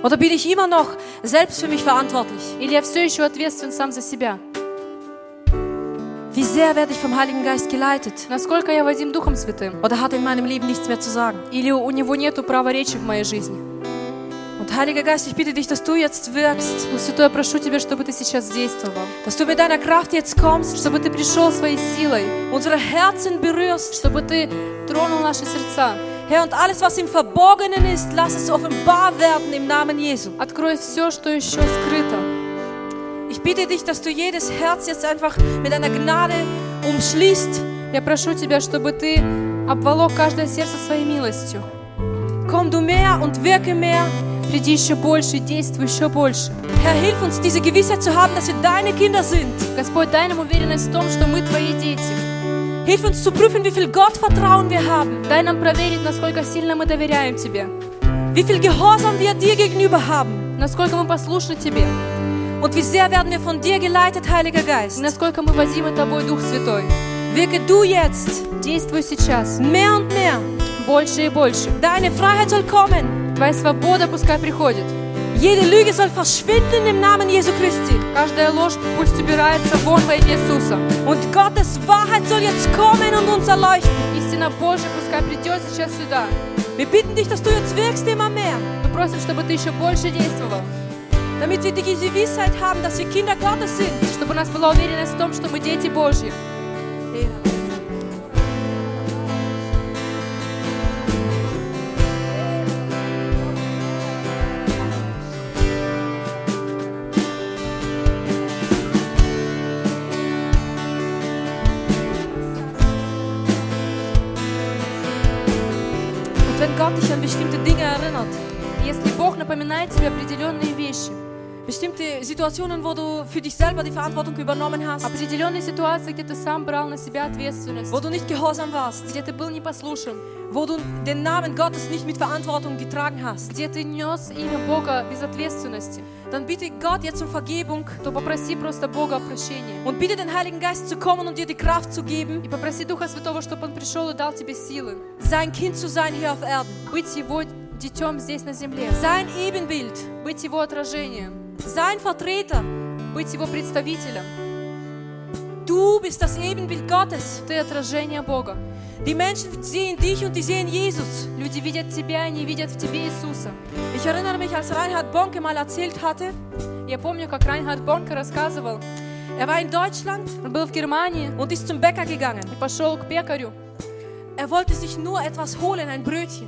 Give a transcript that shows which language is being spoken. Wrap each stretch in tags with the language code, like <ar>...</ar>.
<de>Oder bin ich immer noch selbst für mich verantwortlich?</de> <ru>Или я все еще ответственен сам за себя?</ru> <de>Wie sehr werde ich vom Heiligen Geist geleitet?</de> <ru>Насколько я водим Духом Святым?</ru> <de>Oder hat er in meinem Leben nichts mehr zu sagen?</de> <ru>Или у него нету права речи в моей жизни?</ru> <de>Und Heiliger Geist, ich bitte dich, dass du jetzt wirkst.</de> <ru>Дух Святой, я прошу тебя, чтобы ты сейчас действовал.</ru> <de>Dass du mit deiner Kraft jetzt kommst.</de> <ru>Чтобы ты пришел своей силой.</ru> <de>Unsere Herzen berührst.</de> <ru>Чтобы ты тронул наши сердца.</ru> <de>Herr, und alles, was im Verborgenen ist, lass es offenbar werden im Namen Jesu.</de> <ru>Открой все, что еще скрыто.</ru> <de>Ich bitte dich, dass du jedes Herz jetzt einfach mit deiner Gnade umschließt.</de> <ru>Я прошу тебя, чтобы ты обволок каждое сердце своей милостью.</ru> <de>Komm du mehr und wirke mehr.</de> <ru>Приди еще больше, действуй еще больше.</ru> <de>Herr, hilf uns, diese Gewissheit zu haben, dass wir deine Kinder sind.</de> <ru>Господь, дай нам уверенность в том, что мы твои дети.</ru> <de>Hilf uns zu prüfen, wie viel Gottvertrauen wir haben.</de> <ru>Дай нам проверить, насколько сильно мы доверяем тебе.</ru> <de>Wie viel Gehorsam wir dir gegenüber haben.</de> <ru>Насколько мы послушны тебе.</ru> <de>Und wie sehr werden wir von dir geleitet, Heiliger Geist.</de> <ru>Насколько мы возимы тобой, Дух Святой.</ru> <de>Wirke du jetzt.</de> <ru>Действуй сейчас.</ru> <de>Mehr und mehr.</de> <ru>Больше и больше.</ru> <de>Deine Freiheit soll kommen.</de> <ru>Твоя свобода пускай приходит.</ru> <de>Jede Lüge soll verschwinden im Namen Jesu Christi.</de> <ru>Каждая ложь пусть убирается вон во имя Иисуса.</ru> <de>Und Gottes Wahrheit soll jetzt kommen und uns erleuchten.</de> <ru>Истина Божия пускай придет сейчас сюда.</ru> <de>Wir bitten dich, dass du jetzt wirkst immer mehr.</de> <ru>Мы просим, чтобы ты еще больше действовал.</ru> <de>Damit wir die Gewissheit haben, dass wir Kinder Gottes sind.</de> <ru>Чтобы у нас была уверенность в том, что мы дети Божьи.</ru> <de>Und wenn Gott dich an bestimmte Dinge erinnert,</de> <ru>если Бог напоминает тебе определенные вещи,</ru> <de>bestimmte Situationen, wo du für dich selber die Verantwortung übernommen hast.</de> <ru>Определенные ситуации, где ты сам брал на себя ответственность.</ru> <de>Wo du nicht gehorsam warst.</de> <ru>Где ты был непослушен.</ru> <de>Wo du den Namen Gottes nicht mit Verantwortung getragen hast.</de> <ru>Где ты нес имя Бога без ответственности.</ru> <de>Dann bitte Gott jetzt um Vergebung.</de> <ru>То попроси просто Бога о прощении.</ru> <de>Und bitte den Heiligen Geist zu kommen und dir die Kraft zu geben.</de> <ru>И попроси Духа Святого, чтобы он пришел и дал тебе силы.</ru> <de>Sein Kind zu sein hier auf Erden.</de> <ru>Быть его детем здесь на земле.</ru> <de>Sein Ebenbild.</de> <ru>Быть его отражением.</ru> <de>Sein Vertreter,</de> <ru>быть его представителем.</ru> <de>Du bist das Ebenbild Gottes.</de> <ru>Ты отражение Бога.</ru> <de>Die Menschen sehen dich und die sehen Jesus.</de> <ru>Люди видят тебя, они видят в тебе Иисуса.</ru> <de>Ich erinnere mich, als Reinhard Bonnke mal erzählt hatte.</de> <ru>Я помню, как Reinhard Bonnke рассказывал.</ru> <de>Er war in Deutschland.</de> <ru>Он был в Германии.</ru> <de>Und ist zum Bäcker gegangen.</de> <ru>И пошел к пекарю.</ru> <de>Er wollte sich nur etwas holen, ein Brötchen.</de>